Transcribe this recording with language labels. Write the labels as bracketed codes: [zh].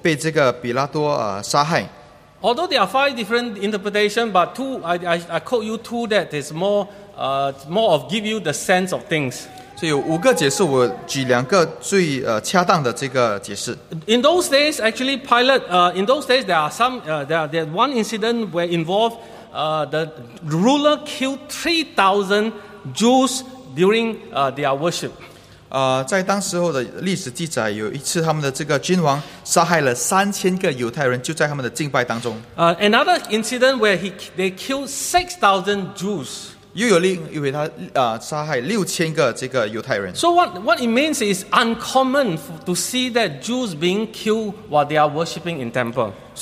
[zh] 所以这里的一个解释就是这些人这些加利利人来到殿中献祭的时候被这个比拉多杀害。 [en] Although there are five different interpretations, but two, I quote you two that is more of give you the sense of things. [zh] 所以有五个解释，我举两个最恰当的这个解释。 [en] In those days, actually, Pilate, in those days, there are some, there are one incident where involved, the ruler killed 3,000 Jews during their worship. [zh] 在当时候的历史记载，有一次他们的这个君王杀害了3000个犹太人，就在他们的敬拜当中。 [en] Another incident where they killed 6,000 Jews. [zh] 又有另一回他杀害6000个这个犹太人。 [en] So what it means is uncommon to see that Jews being killed while they are worshiping in temple.